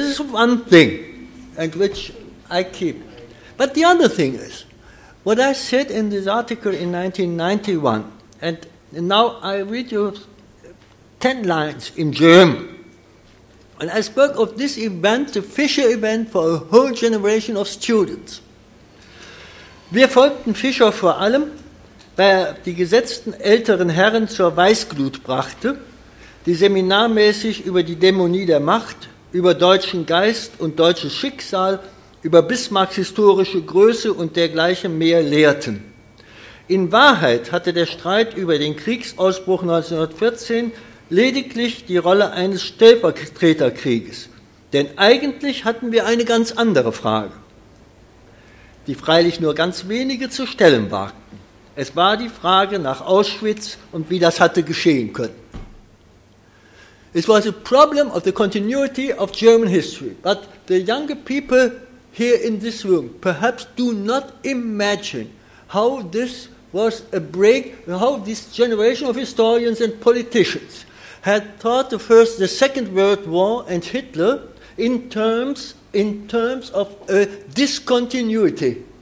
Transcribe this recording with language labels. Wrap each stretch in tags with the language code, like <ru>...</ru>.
<en>This is one thing, and which I keep. But the other thing is, what I said in this article in 1991, and now I read you 10 lines in German. And I spoke of this event, the Fischer event, for a whole generation of students.</en> <de>Wir folgten Fischer vor allem, weil er die gesetzten älteren Herren zur Weißglut brachte, die seminarmäßig über die Dämonie der Macht, über deutschen Geist und deutsches Schicksal, über Bismarcks historische Größe und dergleichen mehr lehrten. In Wahrheit hatte der Streit über den Kriegsausbruch 1914 lediglich die Rolle eines Stellvertreterkrieges. Denn eigentlich hatten wir eine ganz andere Frage, die freilich nur ganz wenige zu stellen wagten. Es war die Frage nach Auschwitz und wie das hatte geschehen können.</de> <en>It was a problem of the continuity of German history. But the younger people here in this room perhaps do not imagine how this was a break, how this generation of historians and politicians had thought the Second World War and Hitler in terms of a discontinuity.</en>